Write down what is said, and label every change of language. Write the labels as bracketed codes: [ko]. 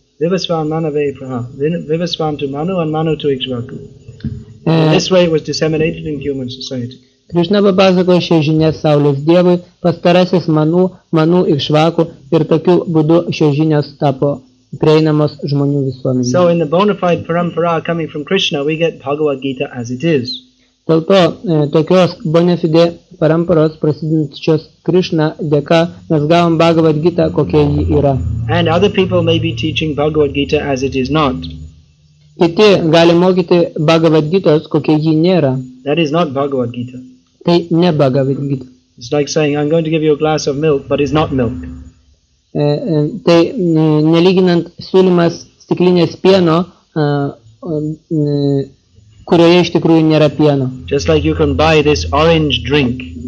[en] Vivasvan to Manu and Manu to Ikshvaku. This way it was disseminated in human society. [lt] Krishna papasakojo šią žinią Saulės Dievui, pastarasis Manu, Manu Ikshvaku, ir tokiu būdu šios žinias tapo prieinamos žmonių visuomenėje. [en] So in the bona fide parampara coming from Krishna, we get Bhagavad Gita as it is. [lt] Dėl to, tokios bona fide paramparos prasidinčios Krishna dėka, mes gavom Bhagavad Gita, kokia ji yra. [en] And other people may be teaching Bhagavad Gita as it is not. [lt] Kiti gali mokyti Bhagavad Gitos, kokia ji nėra. [en] That is not Bhagavad Gita. [lt] Tai ne Bhagavad Gita. [en] It's like saying, I'm going to give you a glass of milk, but it's not milk. [lt] Tai nelyginant siūlymas stiklinės pieno, kurioje iš tikrųjų nėra pieno. [en] Just like you can buy this orange drink.